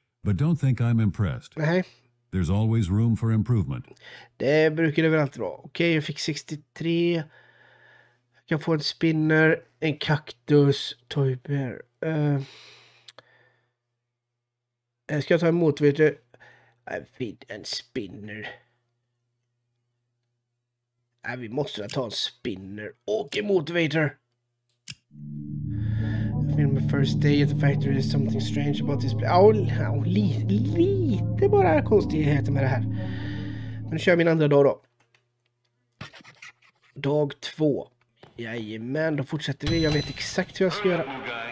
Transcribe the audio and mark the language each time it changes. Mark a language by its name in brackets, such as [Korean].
[English] But don't think I'm impressed. [Swedish] Nej. [English] There's always room for improvement. [Swedish] Det brukar det väl alltid vara. Okej, jag fick 63. Jag kan få en spinner, en kaktus, toy bear. Ska jag ta emot, vet du? Jag vill en spinner. Vi måste ta en spinner och en motivator. [English] I feel my first day at the factory, there's something strange about this place. [Swedish] Lite bara konstigheter med det här. Men nu kör jag min andra dag då. Dag 2. Jajamän, då fortsätter vi. Jag vet exakt hur jag ska göra.